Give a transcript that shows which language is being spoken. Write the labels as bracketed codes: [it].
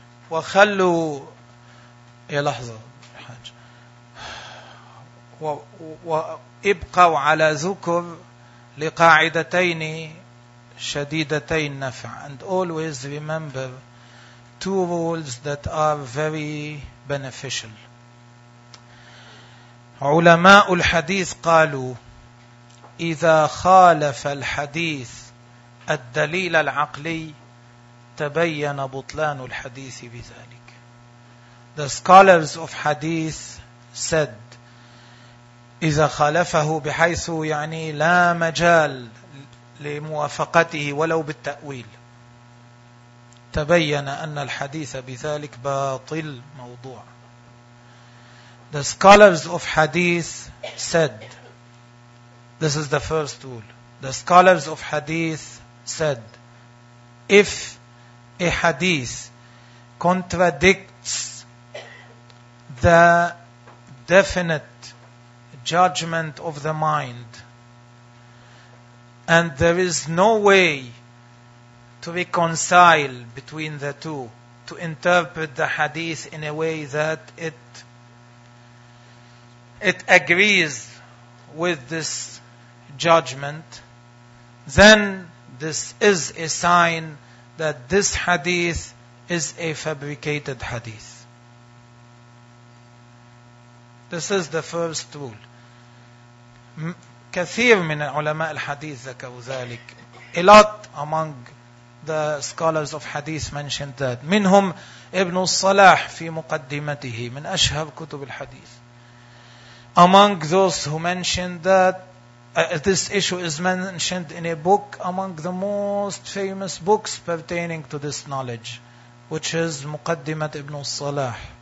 [ar] وخلوا يا لحظة حاجة وابقوا على ذكر لقاعدتين شديدتين نفع. [en] And always remember two rules that are very beneficial. [ar] علماء الحديث قالوا إذا خالف الحديث الدليل العقلي تبين بطلان الحديث بذلك. [en] The scholars of hadith said, [ar] إذا خالفه بحيث يعني لا مجال لموافقته ولو بالتأويل تبين أن الحديث بذلك باطل موضوع. [en] The scholars of hadith said, this is the first rule. The scholars of hadith said, if a hadith contradicts the definite judgment of the mind and there is no way to reconcile between the two, to interpret the hadith in a way that it agrees with this judgment, then this is a sign that this hadith is a fabricated hadith. This is the first rule. [ar] كثير من علماء الحديث ذكروا ذلك. [en] A lot among the scholars of hadith mentioned that. [ar] منهم ابن الصلاح في مقدمته من أشهر كتب الحديث. [en] Among those who mentioned that, this issue is mentioned in a book among the most famous books pertaining to this knowledge, which is Muqaddimat ibn al-Salah.